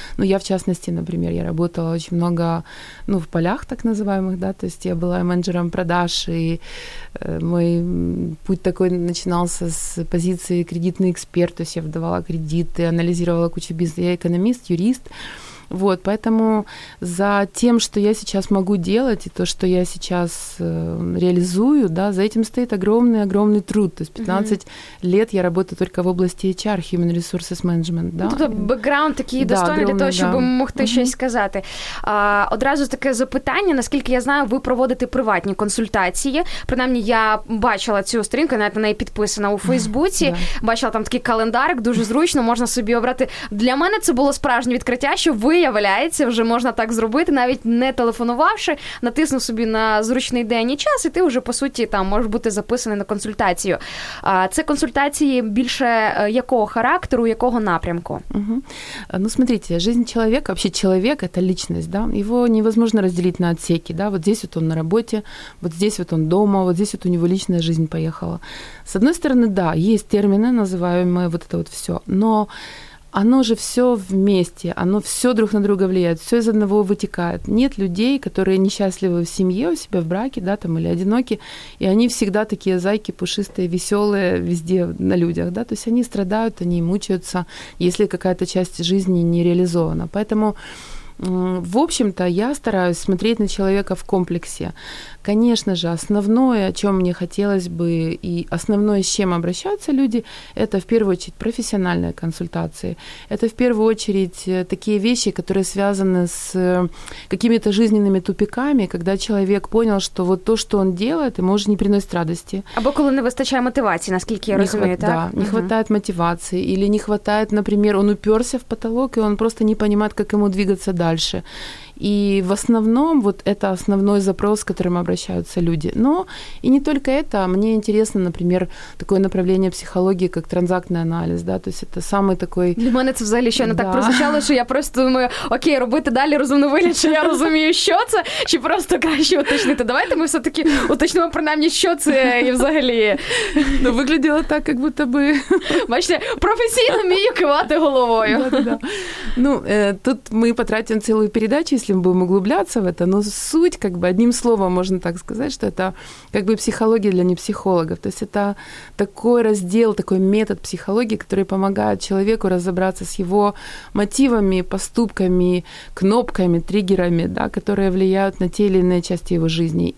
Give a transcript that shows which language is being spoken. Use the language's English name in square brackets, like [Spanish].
[Russian] Ну, я в частности, например, я работала очень много, ну, в полях так называемых, да, то есть я была менеджером продаж, и мой путь такой начинался с позиции кредитный эксперт, то есть я выдавала кредиты, анализировала кучу бизнеса, я экономист, юрист, вот, поэтому за тем, что я сейчас могу делать, и то, что я сейчас реализую, да, за этим стоит огромный-огромный труд, то есть 15 лет я работаю только в области HR, Human Resources Management, да. [Ukrainian] Тут бэкграунд такий достойный для того, щоб могти щось сказати. Одразу таке запитання, наскільки я знаю, ви проводите приватні консультації, принаймні, я бачила цю сторінку, навіть на неї підписана у Фейсбуці, бачила там такий календарик, дуже зручно, можна собі обрати. Для мене це було справжнє відкриття, що ви виявляється, вже можна так зробити, навіть не телефонувавши, натиснув собі на зручний день і час, і ти вже, по суті, там можеш бути записаний на консультацію. Це консультації більше якого характеру, якого напрямку? Угу. [Russian] Ну, смотрите, жизнь человека, вообще человек – это личность, да, его невозможно разделить на отсеки, да, вот здесь вот он на работе, вот здесь вот он дома, вот здесь вот у него личная жизнь поехала. С одной стороны, да, есть термины, называемые вот это вот всё, но оно же все вместе, оно все друг на друга влияет, все из одного вытекает. Нет людей, которые несчастливы в семье, у себя в браке, да, там или одиноки, и они всегда такие зайки пушистые, веселые везде на людях, да, то есть они страдают, они мучаются, если какая-то часть жизни не реализована. Поэтому, в общем-то, я стараюсь смотреть на человека в комплексе. Конечно же, основное, о чем мне хотелось бы, и основное, с чем обращаются люди, это в первую очередь профессиональные консультации. Это в первую очередь такие вещи, которые связаны с какими-то жизненными тупиками, когда человек понял, что вот то, что он делает, ему уже не приносит радости. [Ukrainian] Або коли не вистачає мотивації, наскільки я розумію, так? [Russian] Да, не хватает мотивации. Или не хватает, например, он уперся в потолок, и он просто не понимает, как ему двигаться дальше. И в основном вот это основной запрос, к которому обращаются люди. Но и не только это. Мне интересно, например, такое направление психологии, как транзактный анализ. Да? То есть это самый такой... [Ukrainian] Для меня это взагалі ще не так прозвучало, [Russian] что я просто думаю, [Ukrainian] окей, робити далі розумно вилічення, я розумію, що це, чи просто краще уточнити. Давайте ми все-таки уточнимо принаймні, що це і взагалі. Ну, виглядело так, [Russian] как будто бы... [Ukrainian] Бачите, професійно вмію кивати головою. Ну, тут ми потратимо цілу передачу, [Russian] если мы будем углубляться в это, но суть, как бы, одним словом можно так сказать, что это как бы психология для непсихологов. То есть это такой раздел, такой метод психологии, который помогает человеку разобраться с его мотивами, поступками, кнопками, триггерами, да, которые влияют на те или иные части его жизни.